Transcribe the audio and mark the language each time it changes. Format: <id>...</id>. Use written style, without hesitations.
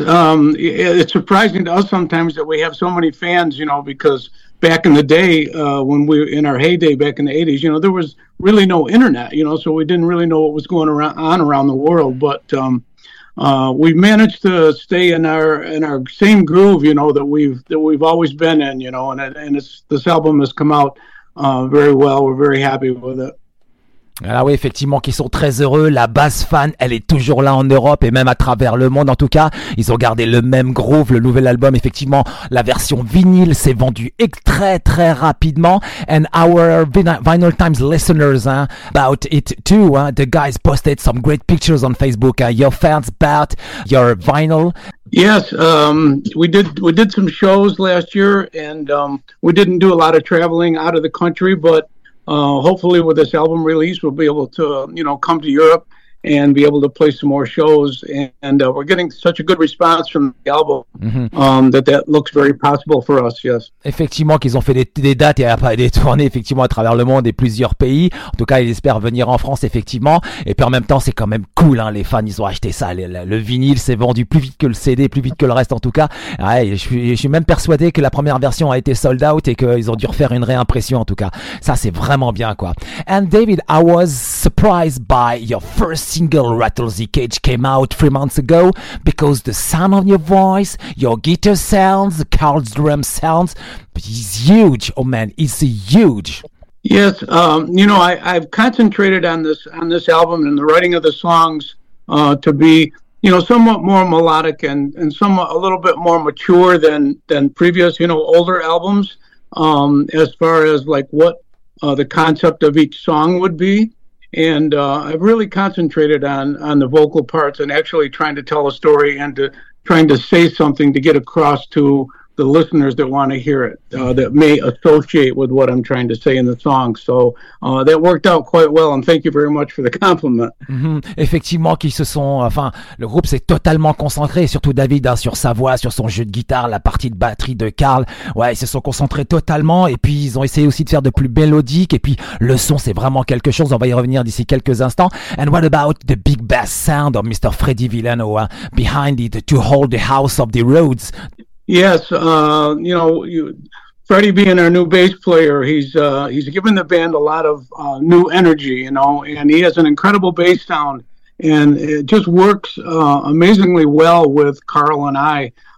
<en>It's surprising to us sometimes that we have so many fans, you know, because back in the day, when we were in our heyday back in the 80s, you know, there was really no internet, you know, so we didn't really know what was going on around the world. But we've managed to stay in our same groove, you know, that we've always been in, you know, and it's, this album has come out very well. We're very happy with it.</en> <fr>Ah oui, effectivement, qu'ils sont très heureux. La base fan, elle est toujours là en Europe et même à travers le monde. En tout cas, ils ont gardé le même groove. Le nouvel album, effectivement, la version vinyle s'est vendue très, très rapidement.</fr> <en>And our Vinyl Times listeners, about it too. The guys posted some great pictures on Facebook. Your fans bought your vinyl. Yes, we did some shows last year and we didn't do a lot of traveling out of the country, but hopefully with this album release, we'll be able to, you know, come to Europe and be able to play some more shows. And we're getting such a good response from the album that looks very possible for us, yes.</en> <fr>Effectivement, qu'ils ont fait des dates et des tournées, effectivement, à travers le monde et plusieurs pays. En tout cas, ils espèrent venir en France, effectivement. Et puis en même temps, c'est quand même cool, hein, les fans, ils ont acheté ça. Le vinyle s'est vendu plus vite que le CD, plus vite que le reste, en tout cas. Ouais, je suis même persuadé que la première version a été sold out et qu'ils ont dû refaire une réimpression, en tout cas. Ça, c'est vraiment bien, quoi.</fr> <en>And David, I was surprised by your first single Rattle the Cage came out 3 months ago because the sound of your voice, your guitar sounds, the Carl's drum sounds, he's huge. Oh man, it's huge. Yes, you know, I've concentrated on this album and the writing of the songs to be, you know, somewhat more melodic and somewhat a little bit more mature than previous, you know, older albums, as far as like what the concept of each song would be. And I've really concentrated on the vocal parts and actually trying to tell a story and to trying to say something to get across to the listeners that want to hear it, that may associate with what I'm trying to say in the song. So that worked out quite well, and thank you very much for the compliment. Mm-hmm.</en> <fr>Effectivement, qu'ils se sont, enfin, le groupe s'est totalement concentré, surtout David, hein, sur sa voix, sur son jeu de guitare, la partie de batterie de Carl. Ouais, ils se sont concentrés totalement, et puis ils ont essayé aussi de faire de plus mélodique, et puis le son, c'est vraiment quelque chose. On va y revenir d'ici quelques instants.</fr> <en>And what about the big bass sound of Mr. Freddy Villano behind it to hold the house of the roads? Yes, you know, Freddie being our new bass player, he's given the band a lot of new energy, you know, and he has an incredible bass sound, and it just works amazingly well with Carl and I.</en>